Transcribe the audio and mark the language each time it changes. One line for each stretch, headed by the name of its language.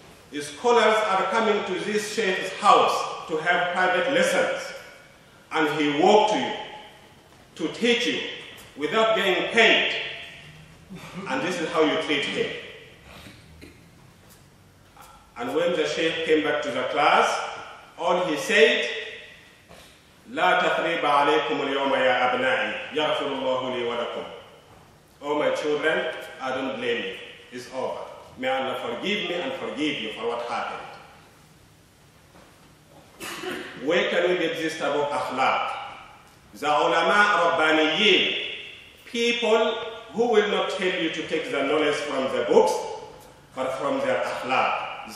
English: The scholars are coming to this sheikh's house to have private lessons. And he walked to you to teach you without getting paid. And this is how you treat him. And when the sheikh came back to the class, all he said
Arabic: لا تثريب عليكم اليوم يا أبنائي يغفر الله لي ولكم.
English: Oh my children, I don't blame you. It's over. May Allah forgive me and forgive you for what happened. Where can we get this type of akhlaq? The ulama rabbaniyin, people who will not tell you to take the knowledge from the books, but from their akhlaq.